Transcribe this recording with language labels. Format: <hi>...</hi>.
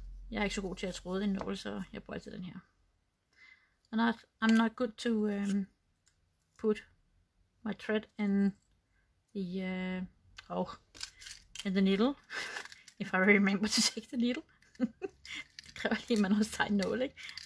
<da>Jeg er ikke så god til at tråde en nål, så jeg bruger altid den her.</da> <en>I'm not good to put my thread in the in the needle, if I remember to take the needle.</en> <da>Det kræver lige, at man også tager en nål, ikke?</da>